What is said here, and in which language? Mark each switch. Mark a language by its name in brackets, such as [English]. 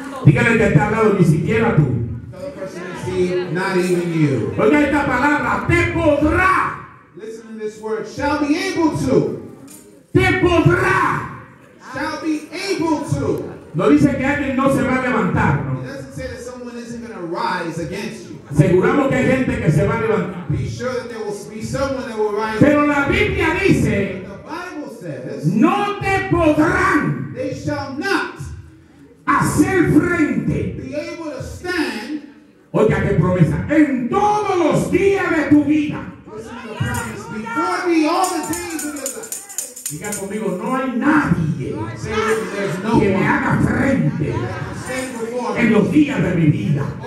[Spanish] Dígale que está al lado, ni siquiera tú. [English] Not even you. [Spanish] Oiga esta palabra, te podrá. [English] Listen to this word, shall be able to. [Spanish] Te podrá. [English] Shall be able to. [Spanish] No dice que alguien no se va a levantar. No. [English] It doesn't say that someone isn't going to rise against you. [Spanish] Aseguramos que hay gente que se va a levantar. [English] Be sure that there will be someone that will rise. [Spanish] Pero la Biblia dice, [English] the Bible says, [Spanish] no te podrán. [English] They shall not [Spanish] hacer frente. [English] Be able to stand. [Spanish] Oiga qué promesa. En todos los días de tu vida. [English] Before me, all the days of your life. [Spanish] Diga conmigo, no hay nadie que me haga frente en los días de mi vida.